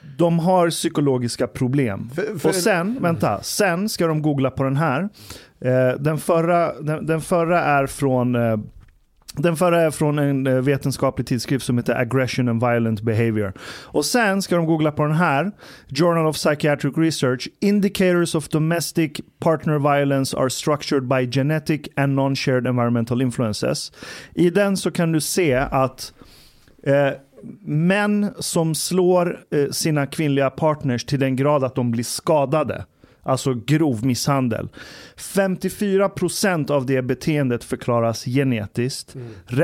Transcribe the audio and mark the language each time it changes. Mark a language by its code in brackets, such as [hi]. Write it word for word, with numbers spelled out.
[sv] De har psykologiska problem. För, för... Och sen, vänta, sen ska de googla på den här. Eh, den, förra, den, den förra är från... Eh, Den förra är från en vetenskaplig tidskrift som heter Aggression and Violent Behavior. Och sen ska de googla på den här. [en] Journal of Psychiatric Research. Indicators of domestic partner violence are structured by genetic and non-shared environmental influences. [sv] I den så kan du se att eh, män som slår eh, sina kvinnliga partners till den grad att de blir skadade, alltså grov misshandel, femtiofyra procent av det beteendet förklaras genetiskt. Mm.